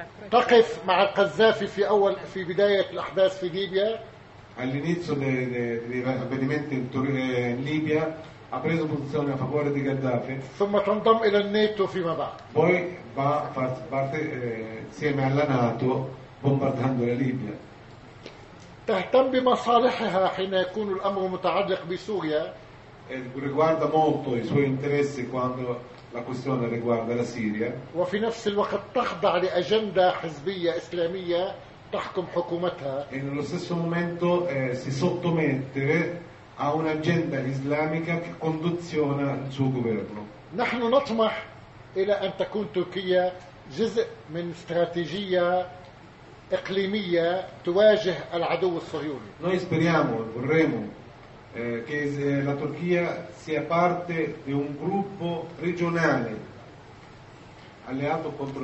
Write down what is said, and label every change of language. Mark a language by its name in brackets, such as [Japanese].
[Arabic] تقف مع القذافي في أول في بداية الأحداث في ليبيا. [Italian] All'inizio degli avvenimenti in Libia ha preso posizione a favore di Gheddafi. [Arabic] ثم تنضم إلى الناتو فيما بعد. [Italian] Poi va parte insieme alla NATO bombardando la Libia. [Arabic] تهتم بمصالحها حين يكون الأمر متعلق بسوريا. [Italian] Riguarda molto i suoi interessi quando la questione riguarda la Siria. [Arabic] وفي نفس الوقت تخضع لأجندة حزبية إسلامية تحكم حكومتها. [Italian] E nello stesso momento si sottomette a un'agenda islamica che conduziona il suo governo. [Arabic] نحن نطمح إلى أن تكون تركيا جزء من استراتيجية إقليمية تواجه العدو الصهيوني. [Italian] Noi speriamo, vorremmo che la Turchia sia parte di un gruppo regionale alleato contro